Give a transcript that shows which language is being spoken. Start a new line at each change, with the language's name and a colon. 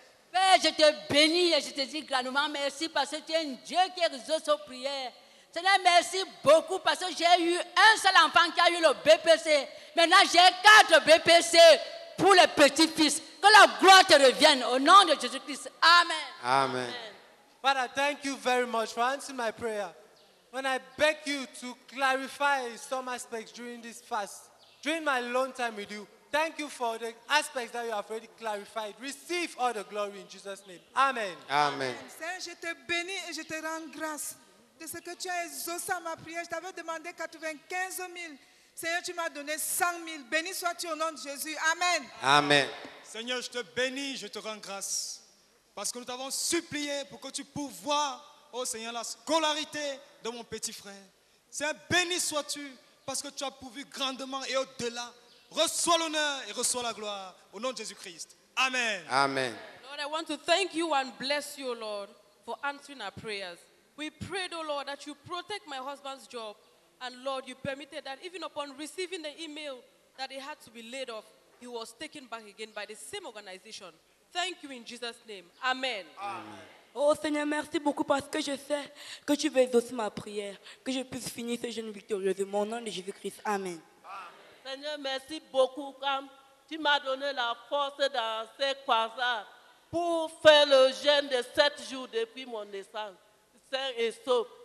French: Père, je te bénis et je te dis grandement merci parce que tu es un Dieu qui exauce nos prières. Seigneur, merci beaucoup parce que j'ai eu un seul enfant qui a eu le BPC. Maintenant, j'ai 4 BPC pour les petits-fils. Que la gloire te revienne au nom de Jésus-Christ. Amen. Amen.
English: Father, thank you very much for answering my prayer. When I beg you to clarify some aspects during this fast, during my long time with you, thank you for the aspects that you have already clarified. Receive all the glory in Jesus' name. Amen. Amen.
French: Seigneur, je te bénis et je te rends grâce de ce que tu as exaucé à ma prière. Je t'avais demandé 95 000. Seigneur, tu m'as donné 100 000. Béni sois-tu au nom de Jésus. Amen. Amen. Seigneur, je te bénis, je te rends grâce. Parce que nous t'avons supplié pour que tu pourvoies, oh Seigneur, la scolarité de mon petit frère. Seigneur, béni sois-tu parce que tu as pourvu grandement et au-delà. Reçois l'honneur et reçois la gloire au nom de Jésus-Christ. Amen. Amen.
English: Lord, I want to thank you and bless you, Lord, for answering our prayers. We prayed, oh Lord, that you protect my husband's job. And Lord, you permitted that even upon receiving the email that he had to be laid off, he was taken back again by the same organization. Thank you in Jesus' name. Amen. Amen.
French: Oh Seigneur, merci beaucoup parce que je sais que tu veux exaucer ma prière, que je puisse finir ce jeûne victorieusement. Au nom de Jésus-Christ. Amen. Amen. Seigneur, merci beaucoup quand tu m'as donné la force dans ces croisades pour faire le jeûne de 7 jours depuis mon naissance. Saint et sauf.